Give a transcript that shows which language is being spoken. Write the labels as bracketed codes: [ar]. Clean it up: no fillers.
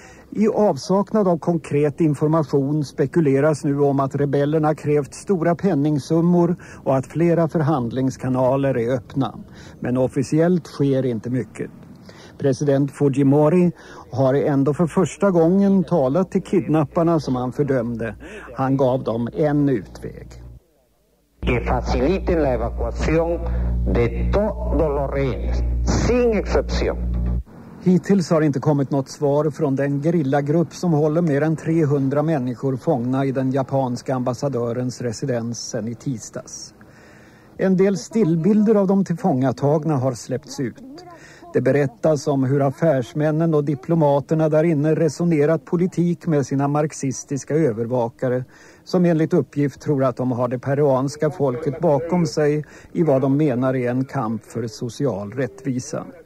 [sv] I avsaknad av konkret information spekuleras nu om att rebellerna krävt stora penningsummor och att flera förhandlingskanaler är öppna. Men officiellt sker inte mycket. President Fujimori har ändå för första gången talat till kidnapparna som han fördömde. Han gav dem en utväg. [es] Que faciliten la evacuación de todos los rehenes, sin excepción. [sv] Hittills har inte kommit något svar från den grillagrupp som håller mer än 300 människor fångna i den japanska ambassadörens residens sen i tisdags. En del stillbilder av de tillfångatagna har släppts ut. Det berättas om hur affärsmännen och diplomaterna där inne resonerat politik med sina marxistiska övervakare som enligt uppgift tror att de har det peruanska folket bakom sig i vad de menar är en kamp för social rättvisa.